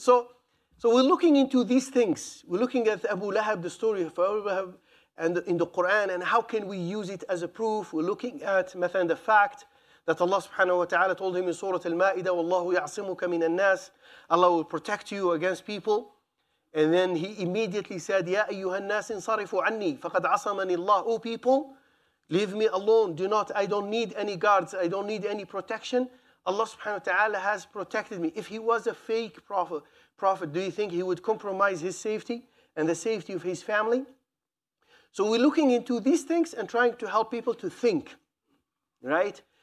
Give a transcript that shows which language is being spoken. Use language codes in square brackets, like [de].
[en] So we're looking into these things. We're looking at Abu Lahab, the story of Abu Lahab, and in the Quran, and how can we use it as a proof? We're looking at مثلا, the fact that Allah subhanahu wa ta'ala told him in Surah Al-Ma'idah, [ar] وَاللَّهُ يَعْصِمُكَ مِنَ النَّاسِ, [en] Allah will protect you against people. And then he immediately said, [ar] يَا أَيُّهَا النَّاسِ انصَرِفُ عَنِّي فَقَدْ عَصَمَنِ اللَّهُ. [en] O people, leave me alone. Do not, I don't need any guards. I don't need any protection. Allah subhanahu wa ta'ala has protected me. If he was a fake prophet, do you think he would compromise his safety and the safety of his family? So we're looking into these things and trying to help people to think, right?